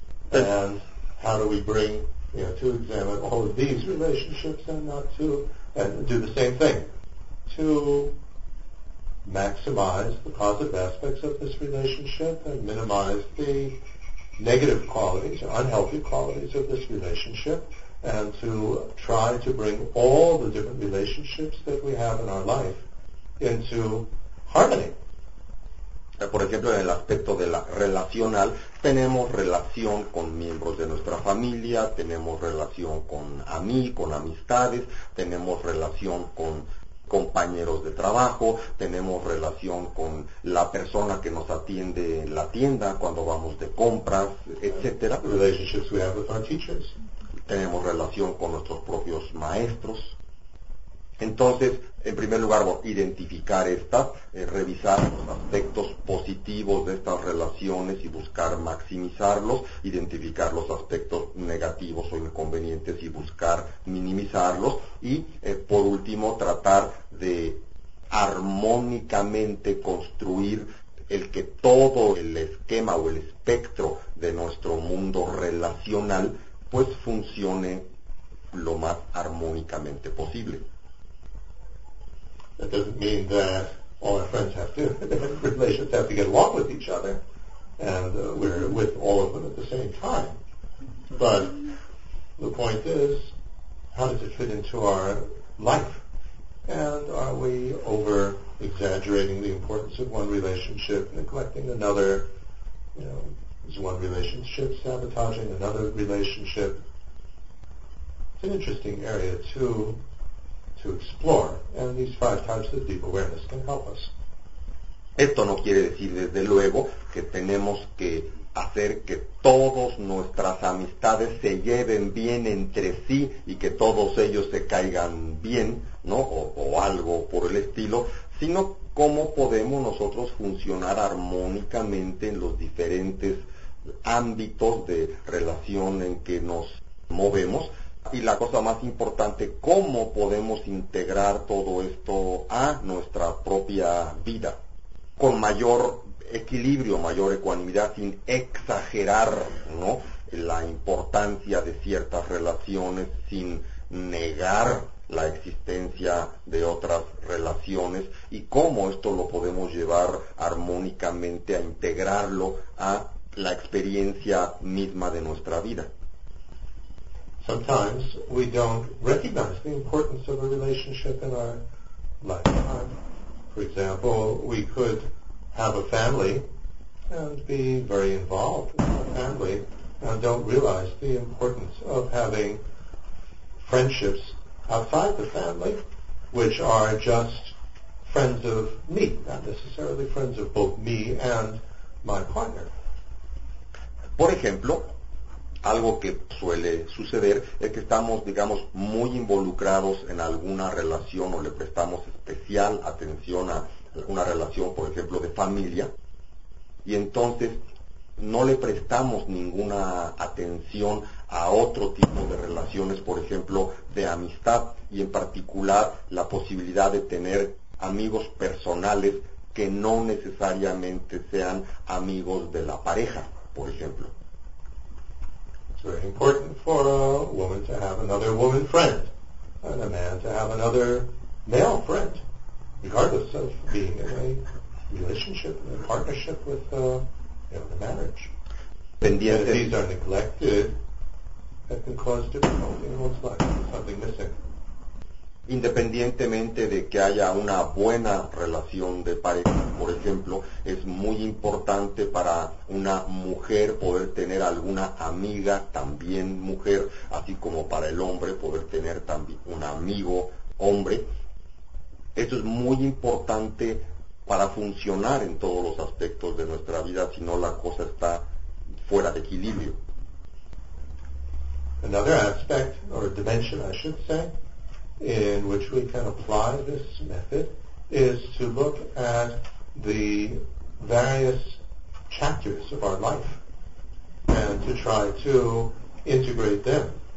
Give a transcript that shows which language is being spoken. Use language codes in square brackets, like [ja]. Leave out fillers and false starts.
[en] And how do we bring, you know, to examine all of these relationships and not to, and do the same thing, to maximize the positive aspects of this relationship and minimize the negative qualities, unhealthy qualities of this relationship, and to try to bring all the different relationships that we have in our life into harmony. [es] Por ejemplo, en el aspecto de la relacional, tenemos relación con miembros de nuestra familia, tenemos relación con amistades, tenemos relación con compañeros de trabajo, tenemos relación con la persona que nos atiende en la tienda cuando vamos de compras, etcétera. [en] Relationships we have with our teachers. [es] Tenemos relación con nuestros propios maestros. Entonces, en primer lugar, identificar estas, revisar los aspectos positivos de estas relaciones y buscar maximizarlos, identificar los aspectos negativos o inconvenientes y buscar minimizarlos, y por último, tratar de armónicamente construir el que todo el esquema o el espectro de nuestro mundo relacional pues funcione lo más armónicamente posible. [en] That doesn't mean that all our friends have to, relations have to get along with each other, and we're with all of them at the same time. But the point is, how does it fit into our life? And are we over-exaggerating the importance of one relationship, neglecting another? You know, is one relationship sabotaging another relationship? It's an interesting area to explore, and these five types of deep awareness can help us. [es] Esto no quiere decir, desde luego, que tenemos que hacer que todas nuestras amistades se lleven bien entre sí y que todos ellos se caigan bien, ¿no? O algo por el estilo, sino cómo podemos nosotros funcionar armónicamente en los diferentes ámbitos de relación en que nos movemos. Y la cosa más importante, ¿cómo podemos integrar todo esto a nuestra propia vida? Con mayor equilibrio, mayor ecuanimidad, sin exagerar, ¿no?, la importancia de ciertas relaciones, sin negar la existencia de otras relaciones, y cómo esto lo podemos llevar armónicamente a integrarlo a la experiencia misma de nuestra vida. [en] sometimes we don't recognize the importance of a relationship in our lifetime. For example, we could have a family and be very involved in our family and don't realize the importance of having friendships outside the family, which are just friends of me, not necessarily friends of both me and my partner. [es] Por ejemplo, algo que suele suceder es que estamos, digamos, muy involucrados en alguna relación o le prestamos especial atención a una relación, por ejemplo, de familia, y entonces no le prestamos ninguna atención a otro tipo de relaciones, por ejemplo, de amistad, y en particular la posibilidad de tener amigos personales que no necesariamente sean amigos de la pareja, por ejemplo. [en] Very important for a woman to have another woman friend and a man to have another male friend, regardless of being in a relationship, in a partnership with the marriage. [es] Pendiente. [en] And if these are neglected, that can cause difficulty in one's life, something missing. [es] Independientemente de que haya una buena relación de pareja, por ejemplo, es muy importante para una mujer poder tener alguna amiga, también mujer, así como para el hombre poder tener también un amigo hombre. Esto es muy importante para funcionar en todos los aspectos de nuestra vida, si no la cosa está fuera de equilibrio. [en] Another aspect, or dimension, I should say, in which we can apply this method is to look at the various chapters of our life and to try to integrate them.